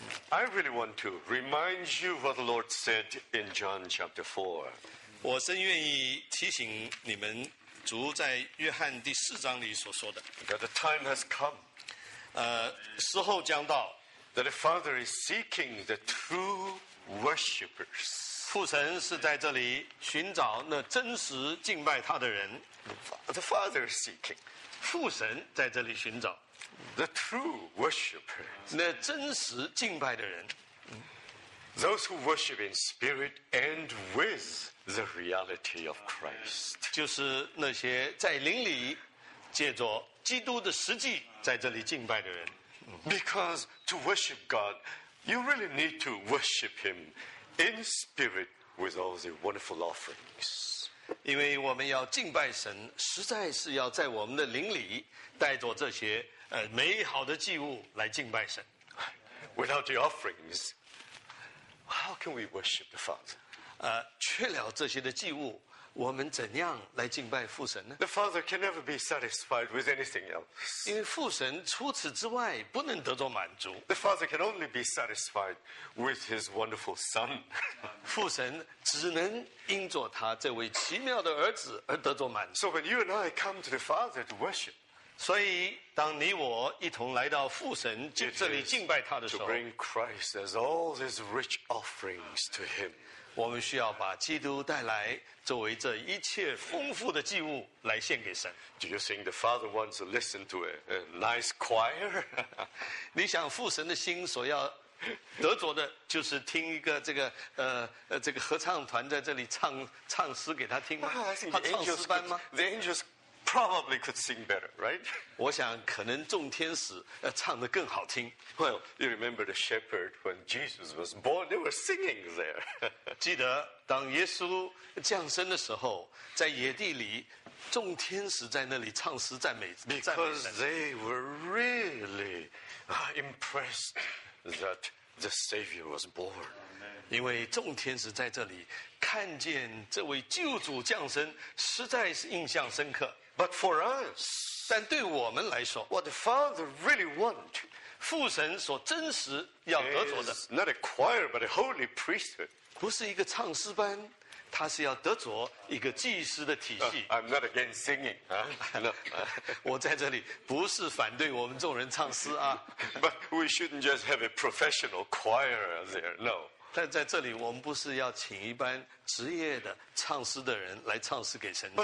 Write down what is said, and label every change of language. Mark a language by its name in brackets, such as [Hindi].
[English] I really want to remind you what the Lord said in John chapter 4. [Chinese] 我深愿意提醒你们主在约翰第四章里所说的。 [English] That the time has come. [Chinese] 时候将到。 [English] That the Father is seeking the true worshippers. [Chinese] 父神是在这里寻找那真实敬拜他的人。 [English] The Father is seeking. [Chinese] 父神在这里寻找。 [English] The true worshippers. [Chinese] 那真实敬拜的人。 [English] Those who worship in spirit and with the reality of Christ. [Chinese] 就是那些在灵里借着基督的实际在这里敬拜的人。 [English] Because to worship God, you really need to worship Him in spirit with all the wonderful offerings. [Chinese] 因为我们要敬拜神，实在是要在我们的灵里带着这些美好的祭物来敬拜神。 [English] Without the offerings, how can we worship the Father? [Chinese] 缺了这些的祭物，我们怎样来敬拜父神呢？ [English] The Father can never be satisfied with anything else. [Chinese] 因为父神除此之外不能得到满足。 [English] The Father can only be satisfied with His wonderful Son. [Chinese] 父神只能因着他这位奇妙的儿子而得到满足。 [English] So when you and I come to the Father to worship, [Chinese] 所以当你我一同来到父神这里敬拜他的时候， [English] to bring Christ as all His rich offerings to Him. [Chinese] 我们需要把基督带来作为这一切丰富的祭物来献给神。 [English] Do you think the Father wants to listen to a nice choir? [Chinese] 你想父神的心所要得着的就是听一个这个这个合唱团在这里唱诗给他听吗？他唱诗班吗？ [English] The angels probably could sing better, right? [Chinese] 我想可能众天使唱得更好听。 [English] Well, you remember the shepherd when Jesus was born, they were singing there. [Chinese] 记得当耶稣降生的时候，在野地里，众天使在那里唱诗赞美。 [English] Because they were really impressed that the Savior was born. [Chinese] 因为众天使在这里看见这位救主降生，实在是印象深刻。 [English] But for us, [Chinese] 但对我们来说 [English] ，what the Father really want, [Chinese] 父神所真实要得着的 [English] ，is not a choir but a holy priesthood. [Chinese] 不是一个唱诗班，他是要得着一个祭司的体系。 [English] I'm not against singing, no. [Chinese] 我在这里不是反对我们众人唱诗啊。 [English] But we shouldn't just have a professional choir there, no. [Chinese] 但在这里，我们不是要请一般职业的唱诗的人来唱诗给神听。